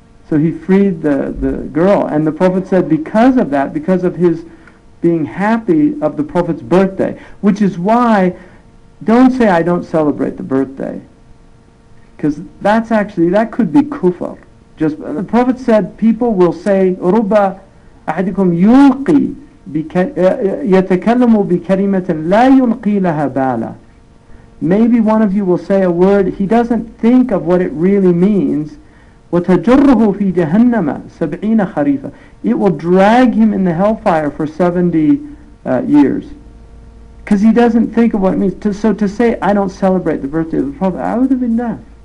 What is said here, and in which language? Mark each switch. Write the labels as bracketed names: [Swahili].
[English] So he freed the girl. And the Prophet said, because of that, because of his being happy of the Prophet's birthday, which is why, don't say I don't celebrate the birthday. Because that's actually, that could be kufr. Just, the Prophet said, people will say, [Arabic] رُبَّ أَحَدِكُمْ يُلْقِي يَتَكَلَّمُ بِكَلِمَةٍ لَا يُلْقِي لَهَا بَالَ. [English] Maybe one of you will say a word, he doesn't think of what it really means. [Arabic] وَتَجُرُّهُ فِي جَهَنَّمَ سَبْعِينَ خَرِيفًا. [English] It will drag him in the hellfire for 70 years. Because he doesn't think of what it means. So to say, I don't celebrate the birthday of the Prophet, I would have been deaf.